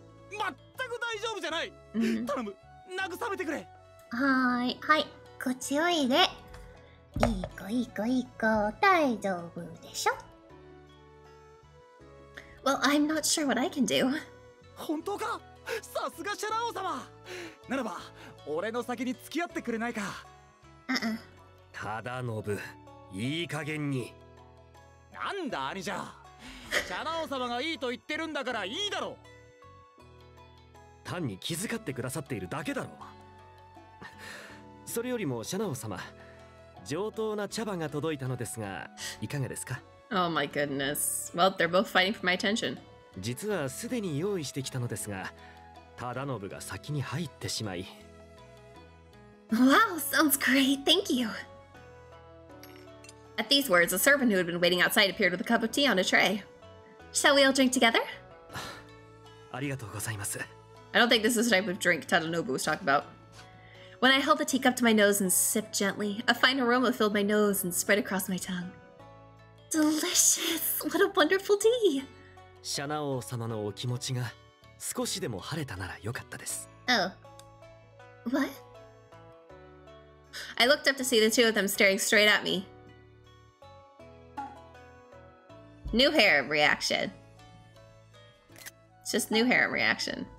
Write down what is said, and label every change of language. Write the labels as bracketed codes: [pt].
[ja] 全く大丈夫じゃない。頼む。慰めてくれ。はい、はい。こっちおいで。いい子、いい子、いい子。大丈夫でしょ。 [en] Well, I'm not sure what I can do. [ja] 本当か？さすがシャラ王様。ならば、俺の先に付き合ってくれないか。ただのぶ、いい加減に。なんだ兄じゃ。シャラ王様がいいと言ってるんだからいいだろう。単に気遣ってくださっているだけだろう。それよりもシャナオ様、上等な茶葉が届いたのですが、いかがですか？ [en] Oh my goodness. Well, they're both fighting for my attention. [ja] 実はすでに用意してきたのですが、タダノブが先に入ってしまい。 [en] Wow, sounds great. Thank you. At these words, a servant who had been waiting outside appeared with a cup of tea on a tray. Shall we all drink together? [ja] ありがとうございます。 [en] I don't think this is the type of drink Tadanobu was talking about. When I held the teacup to my nose and sipped gently, a fine aroma filled my nose and spread across my tongue. Delicious! What a wonderful tea! [ja] シャナ王様のお気持ちが少しでも晴れたならよかったです。 [en] Oh. What? I looked up to see the two of them staring straight at me. New hair reaction. It's just new hair reaction.